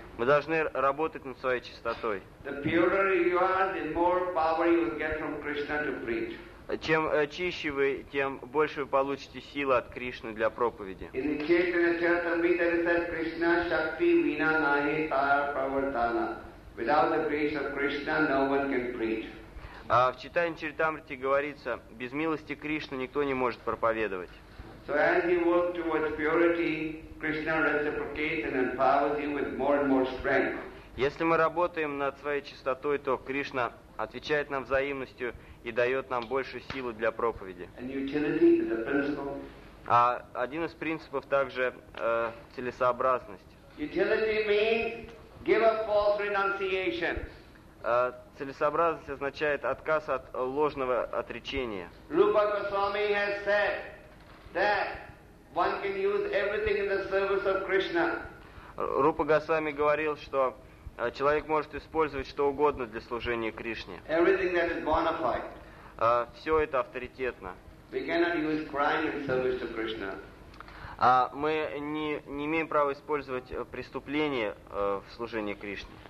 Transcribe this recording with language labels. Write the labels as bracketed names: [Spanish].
[Russian] Мы должны работать над своей чистотой. [English] The purer you are, the more power you will get from Krishna to preach. [Russian] Чем чище вы, тем больше вы получите силы от Кришны для проповеди. [English] In the Chaitanya Charitamrita it says, [Bangla] Krishna Shakti Vina Nahi Tar Pravartana. [English] Without the grace of Krishna, no one can preach. [Russian] В Чайтанья Чаритамрите говорится, без милости Кришны никто не может проповедовать. [English] So as you work towards purity, Krishna reciprocates and empowers you with more and more strength. [Russian] Если мы работаем над своей чистотой, то Кришна отвечает нам взаимностью и дает нам больше силы для проповеди. [English] And utility is a principle. [Russian] Один из принципов также целесообразность. [English] Utility means give up false renunciation. [Russian] Целесообразность означает отказ от ложного отречения. [English] Rupa Goswami has said that one can use everything in the service of Krishna. [Russian] Рупа Госвами говорил, что человек может использовать что угодно для служения Кришне. [English] Everything that is bona fide. [Russian] Все это авторитетно. [English] We cannot use crime in service to Krishna. [Russian] Мы не имеем права использовать преступление в служении Кришне.